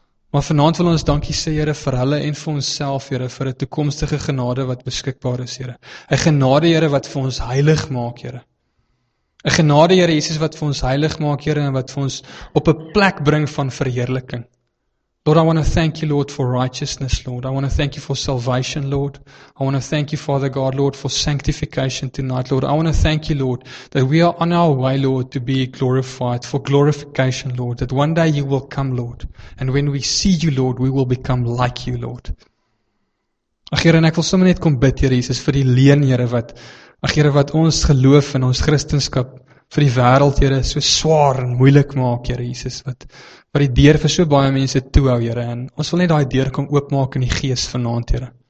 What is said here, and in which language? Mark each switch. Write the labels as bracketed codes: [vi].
[af] Maar vanaand wil ons dankie sê, Here, vir hulle en vir onsself, Here, vir 'n toekomstige genade wat beskikbaar is, Here. 'N genade, Here, wat vir ons heilig maak, Here. 'N genade, Here Jesus, wat vir ons heilig maak, Here, en wat vir ons op 'n plek bring van verheerliking. [en] Lord, I want to thank you, Lord, for righteousness, Lord. I want to thank you for salvation, Lord. I want to thank you, Father God, Lord, for sanctification tonight, Lord. I want to thank you, Lord, that we are on our way, Lord, to be glorified, for glorification, Lord, that one day you will come, Lord, and when we see you, Lord, we will become like you, Lord. [af] Ach, Here, en ek wil sommer net kom bid, Here Jesus, vir die leen, Here, wat Ag Here, wat ons geloof en ons Christenskap vir die wêreld, Here, so swaar en moeilik maak, Here Jesus, wat die deur vir so baie mense toehou, Here, en ons wil net daai deur kom oopmaak in die gees vanaand, Here.